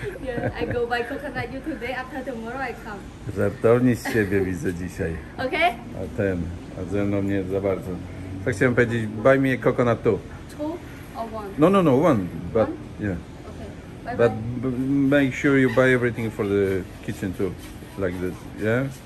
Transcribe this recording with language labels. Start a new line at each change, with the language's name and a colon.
English: Yeah, I go buy coconut you today, after tomorrow I come.
Polish: Żartowni z siebie widzę dzisiaj. Okej?
English: Okay?
Polish: A ten, a ze mną nie za bardzo. Tak chciałem powiedzieć,
English: buy me coconut two. No, no, no, one, but, one? Yeah. Okay. But make sure you buy everything for the kitchen too, like this, yeah?